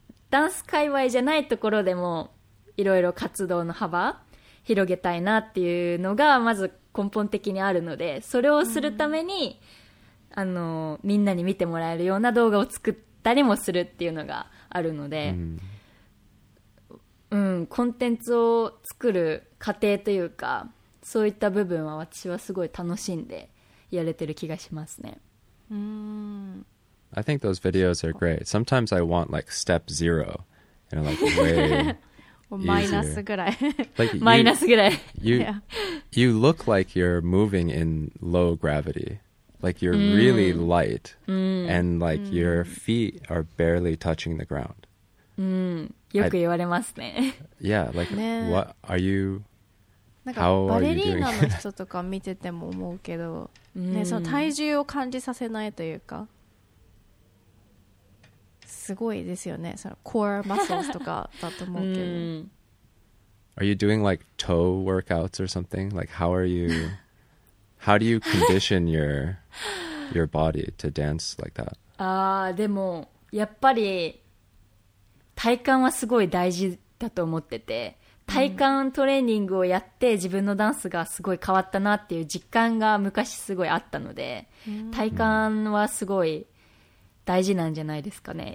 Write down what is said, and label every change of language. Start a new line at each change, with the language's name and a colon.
Japanese: ダンス界隈じゃないところでもいろいろ活動の幅広げたいなっていうのがまず根本的にあるので、それをするために、あのみんなに見てもらえるような動画を作って誰もするっていうのがあるので、うん、コンテンツを作る過程というか、そういった部分は私はすごい楽しんでやれてる気がしますね。
English: I think those videos are great. Sometimes I want like step zero, you know, like way easier. Like minus ぐらい。 You look like you're moving in low gravity, like you're really light, and like your feet are barely touching the ground.
Japanese: よく言われますね。
English: Yeah, like what are you?
Japanese: なんかバレリーナの人とか見てても思うけど、ね、その体重を感じさせないというか、すごいですよね。そのコアマッスルとかだと思うけど。
English: Are you doing like toe workouts or something? Like how are you? How do you condition your body to dance like that?
Japanese: ああ、でもやっぱり体幹はすごい大事だと思ってて。体幹トレーニングをやって自分のダンスがすごい変わったなっていう実感が昔すごいあったので、体幹はすごい大事なんじゃないですかね。